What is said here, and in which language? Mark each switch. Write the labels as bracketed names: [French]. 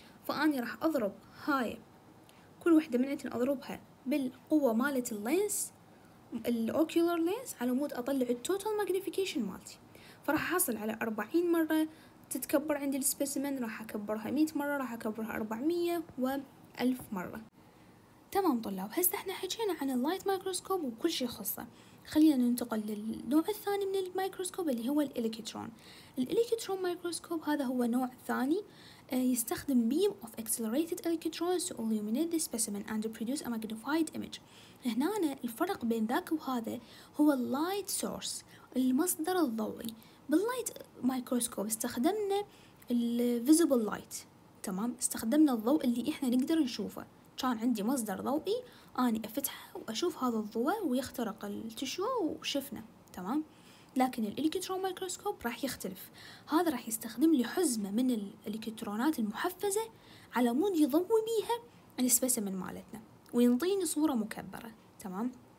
[Arabic] فأني راح أضرب هاي كل واحدة منها أضربها بالقوة مالت اللينس الأوكيولر لينس على مود أطلع التوتال ماغنيفيكيشن مالتي، فراح أحصل على 40 مرة تتكبر عندي السبيسمن، راح أكبرها 100 مرة، راح أكبرها 400 و1000 مرة، تمام طلاب؟ هسه احنا حكينا عن اللايت مايكروسكوب وكل شيء خاصه، خلينا ننتقل للنوع الثاني من المايكروسكوب اللي هو الإلكترون. الإلكترون مايكروسكوب هذا هو نوع ثاني يستخدم [English] beam of accelerated electrons to illuminate the specimen and produce a magnified image. [Arabic] هنا الفرق بين ذاك وهذا هو light source، المصدر الضوئي. باللايت مايكروسكوب استخدمنا الفيزيبل لايت، تمام؟ استخدمنا الضوء اللي احنا نقدر نشوفه، كان عندي مصدر ضوئي اني افتحه واشوف هذا الضوء ويخترق التشو وشفنا، تمام؟ لكن الالكترون مايكروسكوب راح يختلف، هذا راح يستخدم لي حزمه من الالكترونات المحفزه على مود يضوي بيها السبيسمن مالتنا وينطيني صوره مكبره، تمام؟